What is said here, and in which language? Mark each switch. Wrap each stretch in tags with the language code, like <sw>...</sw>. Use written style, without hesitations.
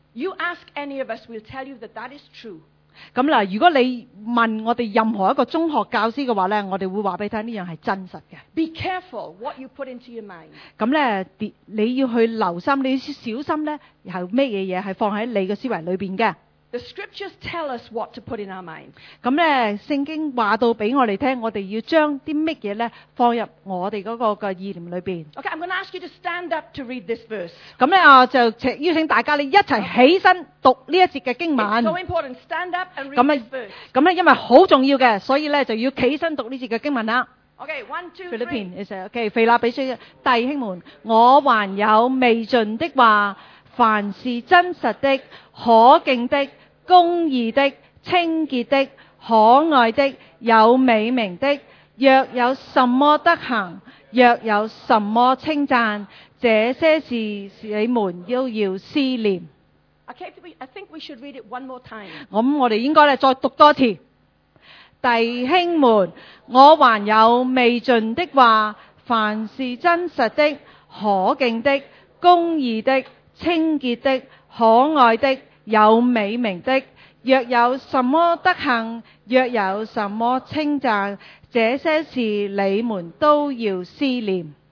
<en>You ask any of us, we'll tell you that that is true.</en> <yue>咁嗱，如果你問我哋任何一個中學教師嘅話咧，我哋會話俾你聽呢樣係真實嘅。</yue> <en>Be careful what you put into your mind。</en> <yue>咁咧，你要去留心，你要小心咧，係咩嘢係放喺你嘅思維裏邊嘅。</yue> <en>The scriptures tell us what to put in our mind。</en> <yue>咁咧，聖經話到俾我哋聽，我哋要將啲乜嘢咧放入我哋嗰個嘅意念裏邊。</yue> <en>Okay, I'm going to ask you to stand up to read this verse。</en> <yue>咁咧啊，就邀請大家你一齊起身讀呢一節嘅經文。</yue> <en>It's so important. Stand up and read this verse。</en> <yue>咁咧，因為好重要嘅，所以咧就要起身讀呢節嘅經文啦。</yue> <en>Okay, one, two, three.</en> <yue>Philippians, okay, 腓立比書，弟兄們，我還有未盡的話，凡是真實的、可敬的。公义的、清洁的、可爱的、有美名的，若有什么德行，若有什么称赞，这些事你们都要思念。</yue> <en>I think we should read it one more time.</en> <yue>咁我哋应该咧再读多次。弟兄们，我还有未尽的话，凡是真实的、可敬的、公义的、清洁的、可爱的。有美名的，若有什么德行，若有什么称赞，这些事你们都要思念。</yue>